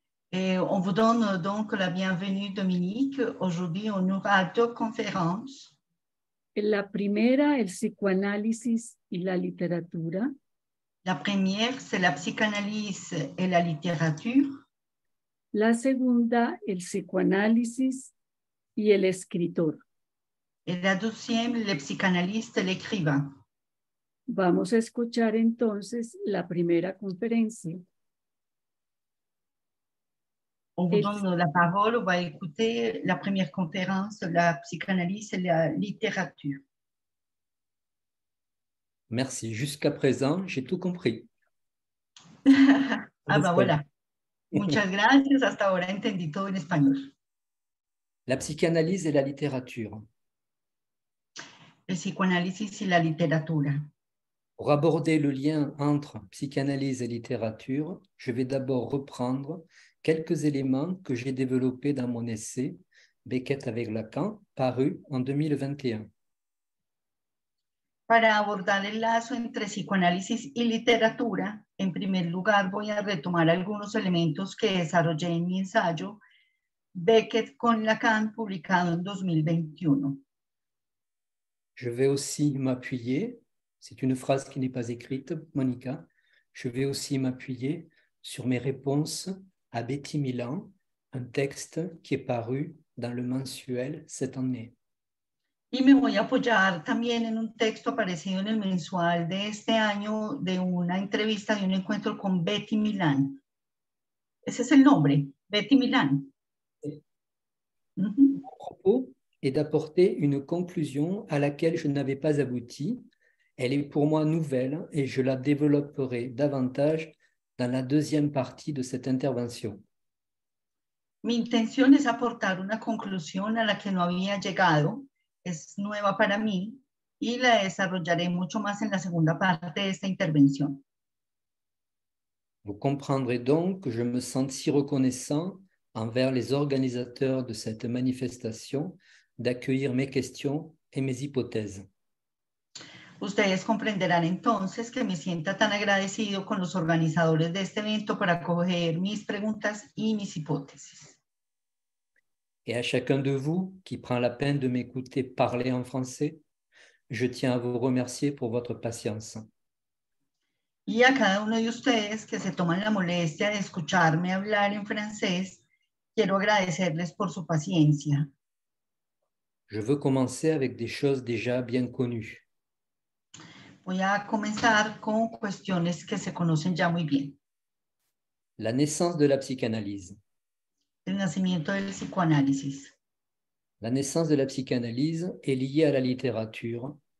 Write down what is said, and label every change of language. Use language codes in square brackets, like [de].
[fr] Et on vous donne donc la bienvenue, Dominique. Aujourd'hui, on aura deux conférences. [es] La primera, el psicoanálisis y la literatura. [fr] La première, c'est la psychanalyse et la littérature. [es] La segunda, el psicoanálisis y el escritor. [fr] Et la deuxième, le psychanalyste et l'écrivain. [es] Vamos a escuchar entonces la primera conferencia. [fr] On vous donne la parole, on va écouter la première conférence, la psychanalyse et la littérature. Merci, jusqu'à présent, j'ai tout compris. Ah bah voilà. [es] Muchas gracias, hasta ahora entendí todo en español. [fr] La psychanalyse et la littérature. La psychanalyse et la littérature. Pour aborder le lien entre psychanalyse et littérature, je vais d'abord reprendre quelques éléments que j'ai développés dans mon essai « Beckett avec Lacan » paru en 2021. [es] Para abordar el lazo entre psicoanálisis y literatura, en primer lugar voy a retomar algunos elementos que desarrollé en mi ensayo « Beckett con Lacan » publicado en 2021. [fr] Je vais aussi m'appuyer, c'est une phrase qui n'est pas écrite, Monica, je vais aussi m'appuyer sur mes réponses à Betty Milan, un texte qui est paru dans le mensuel cette année. [es] Y me voy a apoyar también en un texto aparecido en el mensual de este año de una entrevista de un encuentro con Betty Milan. Ese es el nombre, Betty Milan. [fr] Mon propos est d'apporter une conclusion à laquelle je n'avais pas abouti. Elle est pour moi nouvelle et je la développerai davantage dans la deuxième partie de cette intervention. [es] Mi intención es aportar una conclusión a la que no había llegado. Es nueva para mí y la desarrollaré mucho más en la segunda parte de esta intervención. [fr] Vous comprendrez donc que je me sens si reconnaissant envers les organisateurs de cette manifestation d'accueillir mes questions et mes hypothèses. [es] Ustedes comprenderán entonces que me sienta tan agradecido con los organizadores de este evento para acoger mis preguntas y mis hipótesis. [fr] Et à chacun de vous qui prend la peine de m'écouter parler en français, je tiens à vous remercier pour votre patience. [es] Y a cada uno de ustedes que se toman la molestia de escucharme hablar en francés, quiero agradecerles por su paciencia. [fr] Je veux commencer avec des choses déjà bien connues. [es] Voy a comenzar con cuestiones que se conocen ya muy bien. [fr] La naissance de la psychanalyse. [es] El nacimiento del psicoanálisis. [fr] La naissance de la psychanalyse est liée à la littérature.